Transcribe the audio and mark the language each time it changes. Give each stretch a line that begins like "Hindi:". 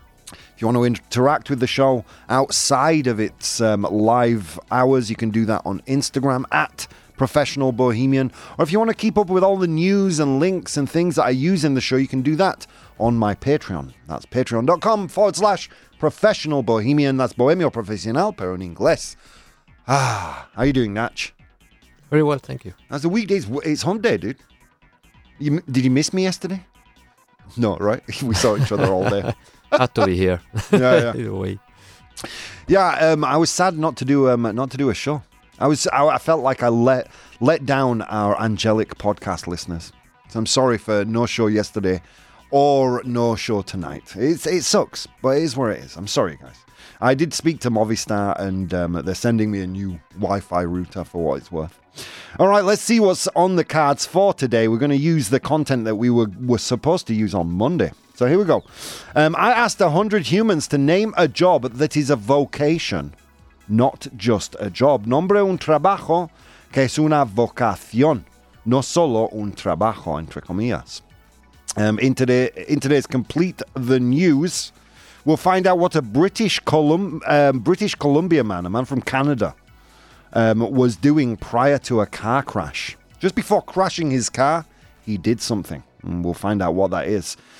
English: If you want to interact with the show outside of its live hours, you can do that on Instagram at Professional Bohemian, or if you want to keep up with all the news and links and things that I use in the show, you can do that on my Patreon. That's patreon.com/professionalbohemian.
Spanish: That's Bohemio Profesional, pero en inglés.
English: Ah, how are you doing, Natch? Very well, thank you. That's a weekday. It's hump day, dude. Did you miss me yesterday? No, right? We saw each other all day. Had to be here. Yeah, I was sad not to do a show. I felt like I let down our angelic podcast listeners. So I'm sorry for no show yesterday or no show tonight. It sucks, but it is where it is. I'm sorry, guys. I did speak to Movistar, and they're sending me a new Wi-Fi router for what it's worth. All right, let's see what's on the cards for today. We're going to use the content that we were supposed to use on Monday. So here we go. I asked 100 humans to name a job that is a vocation. Not just a job.
Spanish: Nombre un trabajo que es una vocación. No solo un trabajo, entre comillas.
English: In today's Complete the News, we'll find out what a British Columbia man from Canada, was doing prior to a car crash. Just before crashing his car, he did something. And we'll find out what that is.